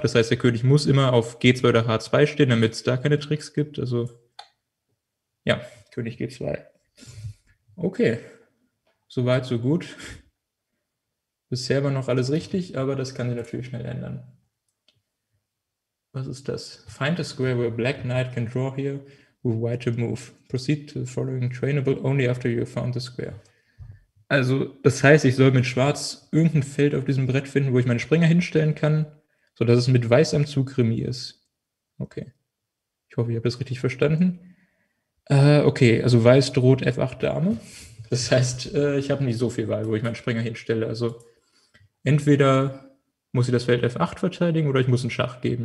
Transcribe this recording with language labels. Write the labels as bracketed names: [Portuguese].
[German] Das heißt, der König muss immer auf G2 oder H2 stehen, damit es da keine Tricks gibt. Also ja, König G2. Okay, soweit, so gut. Bisher war noch alles richtig, aber das kann sich natürlich schnell ändern. Was ist das? [English] Find a square where Black Knight can draw here with White to move. Proceed to the following trainable only after you found the square. [German] Also, das heißt, ich soll mit Schwarz irgendein Feld auf diesem Brett finden, wo ich meine Springer hinstellen kann, sodass es mit Weiß am Zug Remis ist. Okay. Ich hoffe, ich habe das richtig verstanden. Okay, also Weiß droht F8 Dame. Das heißt, ich habe nicht so viel Wahl, wo ich meinen Springer hinstelle. Also entweder muss ich das Feld F8 verteidigen oder ich muss einen Schach geben.